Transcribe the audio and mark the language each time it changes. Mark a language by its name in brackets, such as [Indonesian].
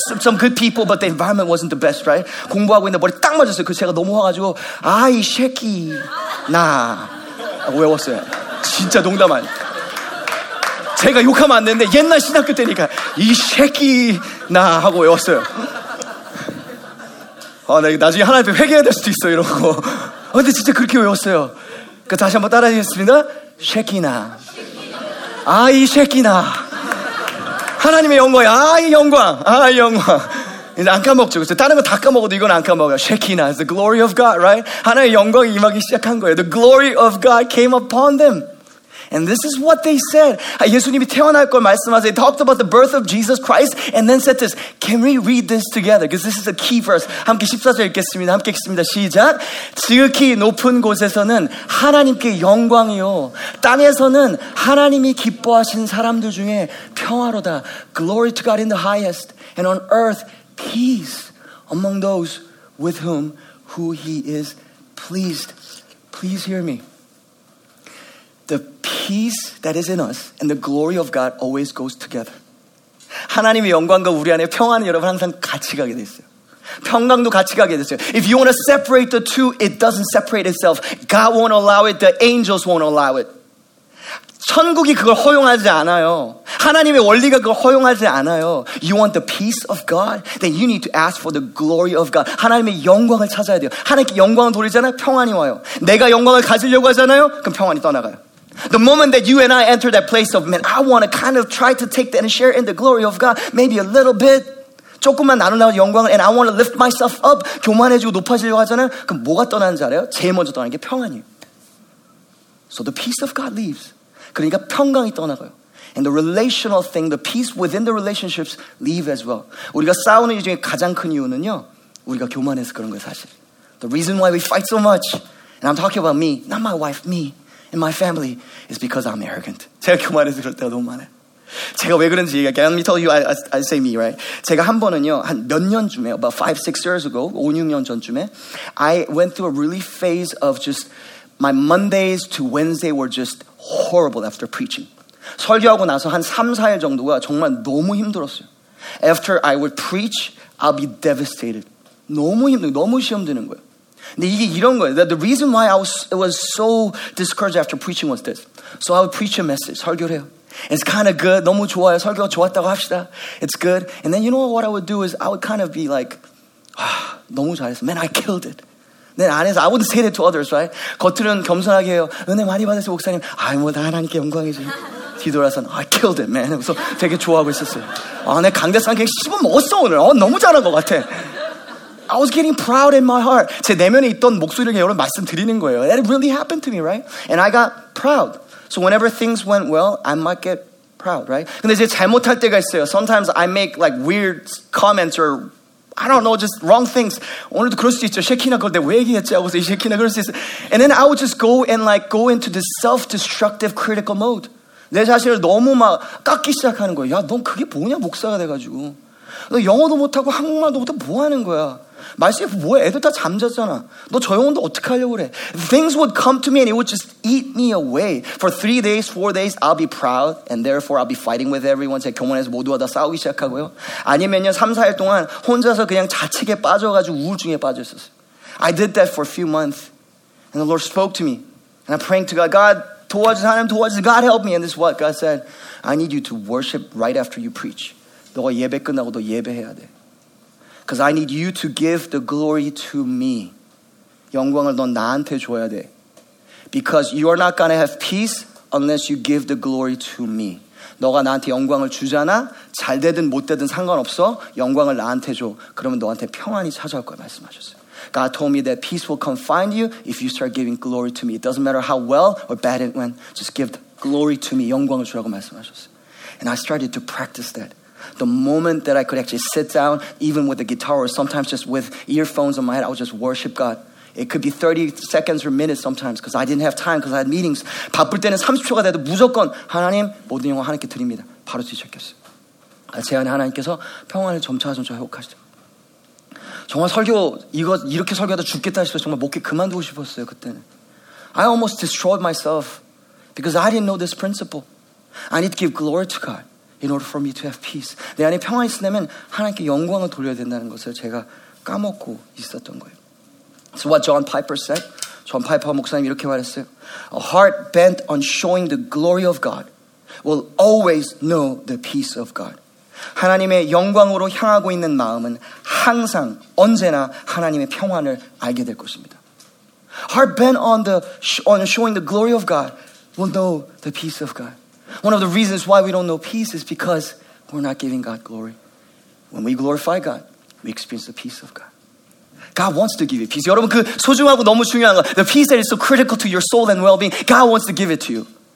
[English] Some good people, but the environment wasn't the best, right? [Korean] 공부하고 있는데 머리 딱 맞았어요. 그래서 제가 너무 화가지고, 아, 이 쉐키, 나. 외웠어요. 진짜 농담 아니에요. 제가 욕하면 안 되는데 옛날 신학교 때니까 이 새끼 나 하고 외웠어요. 아, 나 나중에 하나님께 회개해야 될 수도 있어요, 이런 거. 아, 근데 진짜 그렇게 외웠어요. 그 다시 한번 따라하겠습니다. 새끼 나. 아, 이 새끼 나. 하나님의 영광이야. 아, 이 영광. 아, 이 영광. 이제 안 까먹죠. 그래서 다른 거 다 까먹어도 이건 안 까먹어요. [English] Shekinah is the glory of God, right? [Korean] 하나님의 영광이 임하기 시작한 거예요. [English] The glory of God came upon them. And this is what they said. [Korean] 예수님이 태어날 걸 말씀하세요. [English] They talked about the birth of Jesus Christ and then said this. Can we read this together? Because this is a key verse. [Korean] 함께 14절 읽겠습니다. 함께 읽겠습니다. 시작. 지극히 높은 곳에서는 하나님께 영광이요. 땅에서는 하나님이 기뻐하신 사람들 중에 평화로다. [English] Glory to God in the highest. And on earth, peace among those with whom who he is pleased. Please hear me. The peace that is in us and the glory of God always goes together. [Korean] 하나님의 영광과 우리 안에 평화는 여러분 항상 같이 가게 돼 있어요. 평강도 같이 가게 돼 있어요. [English] If you want to separate the two, it doesn't separate itself. God won't allow it. The angels won't allow it. [Korean] 천국이 그걸 허용하지 않아요. 하나님의 원리가 그걸 허용하지 않아요. [English] You want the peace of God? Then you need to ask for the glory of God. [Korean] 하나님의 영광을 찾아야 돼요. 하나님께 영광을 돌리잖아요. 평안이 와요. 내가 영광을 가지려고 하잖아요. 그럼 평안이 떠나가요. [English] The moment that you and I enter that place of, man, I want to kind of try to take that and share in the glory of God, maybe a little bit, [Korean] 조금만 나누는 영광을, [English] and I want to lift myself up, [Korean] 교만해지고 높아지려고 하잖아요. 그럼 뭐가 떠나는지 알아요? 제일 먼저 떠나는 게 평안이에요. [English] So the peace of God leaves. [Korean] 그러니까 평강이 떠나가요. [English] And the relational thing, the peace within the relationships leave as well. [Korean] 우리가 싸우는 이유 중에 가장 큰 이유는요, 우리가 교만해서 그런 거예요, 사실. [English] The reason why we fight so much, and I'm talking about me, not my wife, me, in my family is because I'm arrogant. [Korean] 제가 교만해서 그럴 때가 너무 많아요. 제가 왜 그런지 얘기할게요. [English] Let me tell you, I say me, right? [Korean] 제가 한 번은요, 한 몇 년 쯤에, [English] about 5, 6 years ago, [Korean] 5, 6년 전쯤에, [English] I went through a really phase of just, my Mondays to Wednesday were just horrible after preaching. [Korean] 설교하고 나서 한 3, 4일 정도가 정말 너무 힘들었어요. [English] After I would preach, I'll be devastated. [Korean] 너무 힘들고 너무 시험 드는 거예요. 근데 이게 이런 거예요. [English] The reason why I was so discouraged after preaching was this. So I would preach a message, [Korean] 설교를 해요. [English] It's kind of good, [Korean] 너무 좋아요. 설교가 좋았다고 합시다. [English] It's good. And then you know what I would do is I would kind of be like, [Korean] 아, 너무 잘했어. [English] Man, I killed it. [Korean] 내 안에서 [English] I wouldn't say that to others, right? [Korean] 겉으로는 겸손하게 해요. 은혜 많이 받으세요, 목사님. 아, 뭐 다 하나님께 영광이지. 뒤돌아서는 [English] I killed it, man. [Korean] 그래서 되게 좋아하고 있었어요. 아, 내 강대상 그냥 씹어먹었어, 오늘. 너무 잘한 것 같아. [English] I was getting proud in my heart. [Korean] 제 내면에 있던 목소리를 여러분 말씀드리는 거예요. [English] That really happened to me, right? And I got proud. So whenever things went well, I might get proud, right? [Korean] 근데 이제 잘못할 때가 있어요. [English] Sometimes I make like weird comments or I don't know, just wrong things. [Korean] 오늘도 그럴 수 있죠. 쉐키나 그럴 때 왜 얘기했지? 하고서 이 쉐키나 그럴 수 있어. [English] And then I would just go and like go into this self-destructive critical mode. [Korean] 내 자신을 너무 막 깎기 시작하는 거예요. 야, 넌 그게 뭐냐, 목사가 돼가지고. 너 영어도 못하고 한국말도 못하고 뭐 하는 거야? 말씀이 뭐야? 애들 다 잠잤잖아. 너 저 영혼도 어떻게 하려고 그래? [English] Things would come to me and it would just eat me away. For 3 days, 4 days, I'll be proud and therefore I'll be fighting with everyone. [Korean] 제 교문에서 모두와 다 싸우기 시작하고요. 아니면요, 3, 4일 동안 혼자서 그냥 자책에 빠져가지고 우울증에 빠졌었어요. [English] I did that for a few months and the Lord spoke to me and I'm praying to God, God, [Korean] 도와주세요, 하나님 도와주세요. [English] God help me. And this is what God said. I need you to worship right after you preach. [Korean] 너가 예배 끝나고 너 예배해야 돼. [English] Because I need you to give the glory to me. [Korean] 영광을 넌 나한테 줘야 돼. [English] Because you are not going to have peace unless you give the glory to me. [Korean] 너가 나한테 영광을 주잖아. 잘 되든 못 되든 상관없어. 영광을 나한테 줘. 그러면 너한테 평안이 찾아올 거야 말씀하셨어요. [English] God told me that peace will come find you if you start giving glory to me. It doesn't matter how well or bad it went. Just give glory to me. [Korean] 영광을 주라고 말씀하셨어요. [English] And I started to practice that. The moment that I could actually sit down, even with a guitar or sometimes just with earphones on my head, I would just worship God. It could be 30 seconds or minutes sometimes because I didn't have time because I had meetings. [Korean] 바쁠 때는 30초가 돼도 무조건 하나님 모든 영광 하나님께 드립니다. 바로 뒤적혔어요. 제 안에 하나님께서 평안을 점차점차 회복하시죠. 정말 설교 이거 이렇게 설교하다 죽겠다 싶어서 정말 목회 그만두고 싶었어요 그때는. [English] I almost destroyed myself because I didn't know this principle. I need to give glory to God in order for me to have peace. [Korean] 내 안에 평안이 있으려면 하나님께 영광을 돌려야 된다는 것을 제가 까먹고 있었던 거예요. [English] So what John Piper said, John Piper [Korean] 목사님 이렇게 말했어요. [English] A heart bent on showing the glory of God will always know the peace of God. [Korean] 하나님의 영광으로 향하고 있는 마음은 항상 언제나 하나님의 평안을 알게 될 것입니다. [English] Heart bent on the on showing the glory of God will know the peace of God. One of the reasons why we don't know peace is because we're not giving God glory. When we glorify God, we experience the peace of God. God wants to give you peace. [Korean] 여러분 그 소중하고 너무 중요한 거, [English] the peace that is so critical to your soul and well-being, God wants to give it to you.